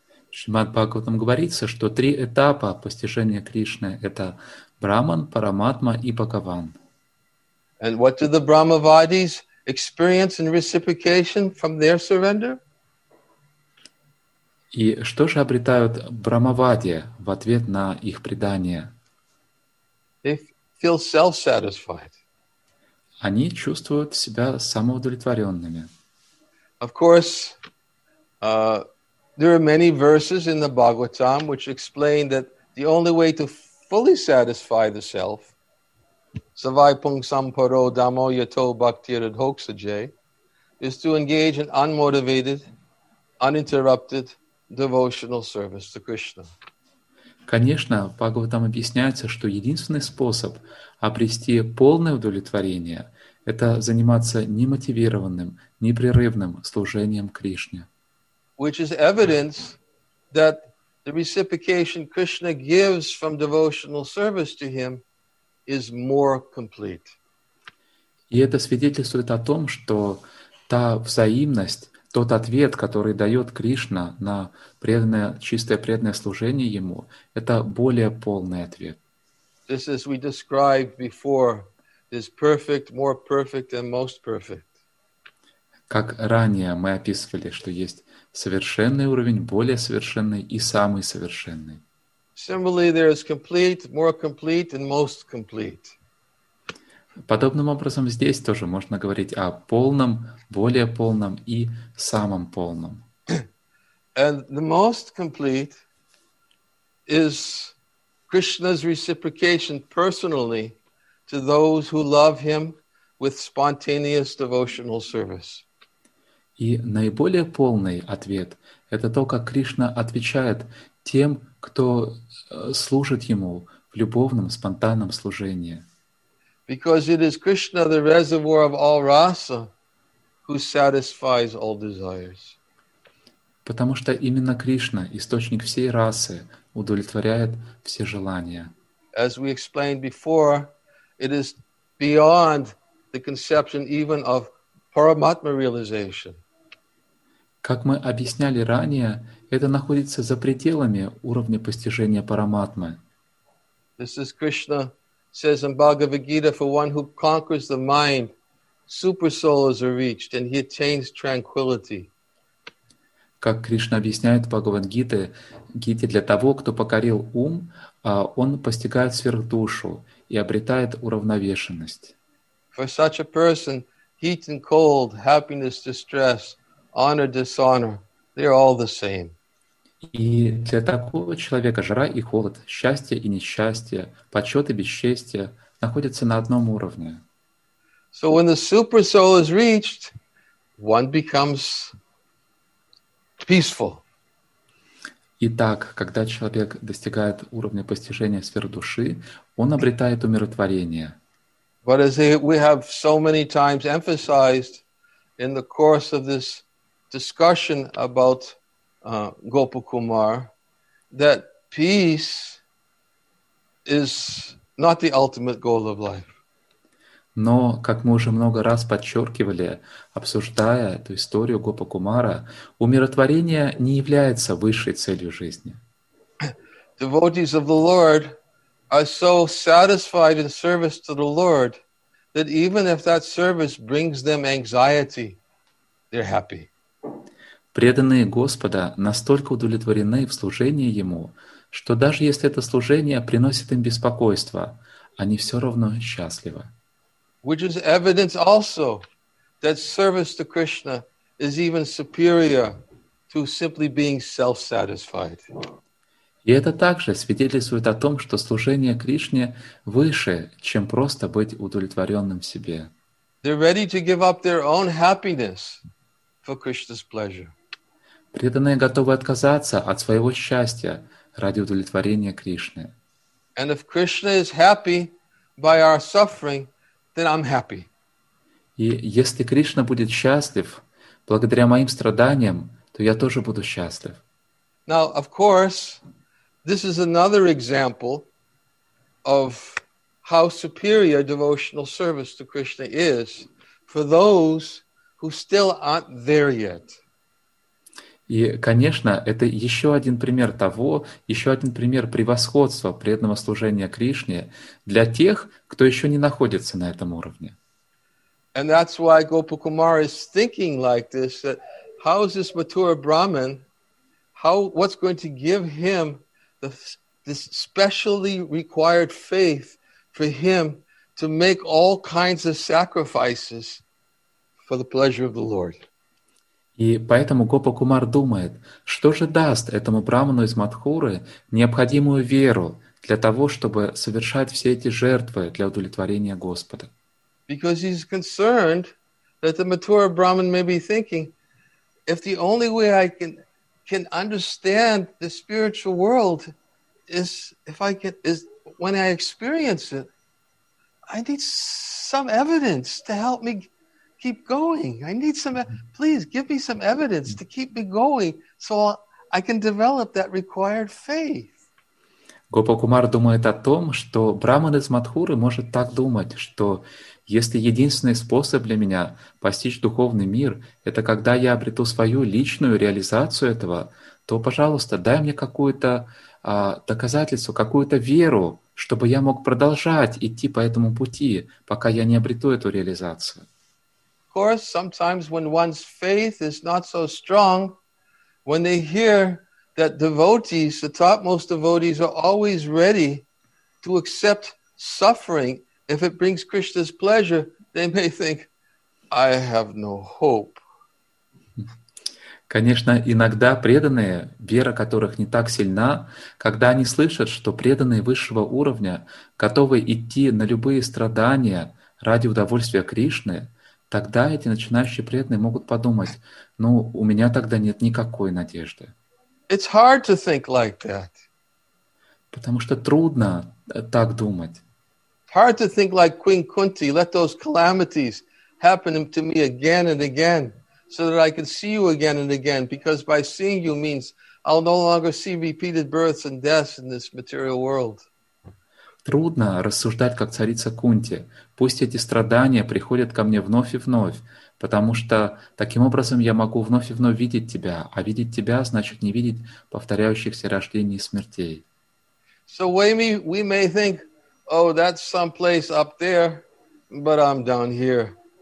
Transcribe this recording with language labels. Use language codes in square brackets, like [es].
[ru] Шримад Бхагаватам говорится, что три этапа постижения Кришны — это Брахман, Параматма и Бхагаван. [en] And what do the Brahmavadis experience in reciprocation from their surrender? [ru] И что же обретают Брахмавади в ответ на их предание? [en] They feel self-satisfied. [ru] Они чувствуют себя самоудовлетворенными. [en] Of course, There are many verses in the Bhagavatam which explain that the only way to fully satisfy the self, [sa] savai pung samparo damo yato bhaktir adhoksaje, [en] is to engage in unmotivated, uninterrupted devotional service to Krishna. [ru] Конечно, Бхагаватам объясняется, что единственный способ обрести полное удовлетворение – это заниматься немотивированным, непрерывным служением Кришне. [en] Which is evidence that the reciprocation Krishna gives from devotional service to him is more complete. [ru] И это свидетельствует о том, что та взаимность, тот ответ, который дает Кришна на преданное, чистое преданное служение ему, это более полный ответ. [en] This is, we described before, is perfect, more perfect and most perfect. [ru] Как ранее мы описывали, что есть совершенный уровень, более совершенный и самый совершенный. [en] Similarly, there is complete, more complete and most complete. [ru] Подобным образом здесь тоже можно говорить о полном, более полном и самом полном. [en] And the most complete is Krishna's reciprocation personally to those who love him with spontaneous devotional service. [ru] И наиболее полный ответ — это то, как Кришна отвечает тем, кто служит ему в любовном, спонтанном служении. [en] Because it is Krishna, the reservoir of all rasa, who satisfies all desires. [ru] Потому что именно Кришна, источник всей расы, удовлетворяет все желания. [en] As we explained before, it is beyond the conception even of Paramatma realization. [ru] Как мы объясняли ранее, это находится за пределами уровня постижения Параматмы. [en] This is Krishna says in Bhagavad Gita, for one who conquers the mind, super souls are reached and he attains tranquility. [ru] Как Кришна объясняет в Бхагавад-гите, для того, кто покорил ум, он постигает сверхдушу и обретает уравновешенность. [en] For such a person, heat and cold, happiness, distress, honor, dishonor, they're all the same. [ru] И для такого человека жара и холод, счастье и несчастье, почет и бесчестье находятся на одном уровне. [en] So when the super soul is reached, one becomes peaceful. [ru] Итак, когда человек достигает уровня постижения сверхдуши, он обретает умиротворение. [en] But as we have so many times emphasized in the course of this discussion about Gopakumar, that peace is not the ultimate goal of life. [ru] Но, как мы уже много раз подчеркивали, обсуждая эту историю Гопакумара, умиротворение не является высшей целью жизни. [en] Devotees of the Lord are so satisfied in service to the Lord that even if that service brings them anxiety, they're happy. [ru] Преданные Господа настолько удовлетворены в служении Ему, что даже если это служение приносит им беспокойство, они все равно счастливы. [en] Which is evidence also that service to Krishna is even superior to simply being self-satisfied. [ru] И это также свидетельствует о том, что служение Кришне выше, чем просто быть удовлетворенным в себе. [en] They're ready to give up their own happiness for Krishna's pleasure. [ru] Преданные готовы отказаться от своего счастья ради удовлетворения Кришны. [en] And if Krishna is happy by our suffering, then I'm happy. [ru] И если Кришна будет счастлив благодаря моим страданиям, то я тоже буду счастлив. [en] Now, of course, this is another example of how superior devotional service to Krishna is for those who still aren't there yet. [ru] И, конечно, это еще один пример того, еще один пример превосходства преданного служения Кришне для тех, кто еще не находится на этом уровне. [en] And that's why Gopakumar is thinking like this, that how is this mature Brahman, what's going to give him this specially required faith for him to make all kinds of sacrifices for the pleasure of the Lord? [ru] И поэтому Гопа Кумар думает, что же даст этому браману из Матхуры необходимую веру для того, чтобы совершать все эти жертвы для удовлетворения Господа. [en] Because he's concerned that the mature Brahmin may be thinking, if the only way I can understand the spiritual world is if I can is when I experience it, I need some evidence to help me keep going. I need some, please give me some evidence to keep me going so I can develop that required faith. [ru] Гопа Кумар думает о том, что Браман из Матхуры может так думать, что если единственный способ для меня постичь духовный мир, это когда я обрету свою личную реализацию этого, то, пожалуйста, дай мне какое-то доказательство, какую-то веру, чтобы я мог продолжать идти по этому пути, пока я не обрету эту реализацию. [en] Of course, sometimes when one's faith is not so strong, when they hear that devotees, the topmost devotees, are always ready to accept suffering if it brings Krishna's pleasure, they may think, I have no hope. [ru] Конечно, иногда преданные, вера которых не так сильна, когда они слышат, что преданные высшего уровня готовы идти на любые страдания ради удовольствия Кришны, тогда эти начинающие преданные могут подумать, ну, у меня тогда нет никакой надежды. [en] It's hard to think like that. [ru] Потому что трудно так думать. [en] It's hard to think like Queen Kunti, let those calamities happen to me again and again, so that I can see you again and again, because by seeing you means I'll no longer see repeated births and deaths in this material world. [ru] Трудно рассуждать, как царица Кунти. Пусть эти страдания приходят ко мне вновь и вновь, потому что таким образом я могу вновь и вновь видеть тебя, а видеть тебя значит не видеть повторяющихся рождений и смертей. [en] So we may think, oh, that's some place up there, but I'm down here.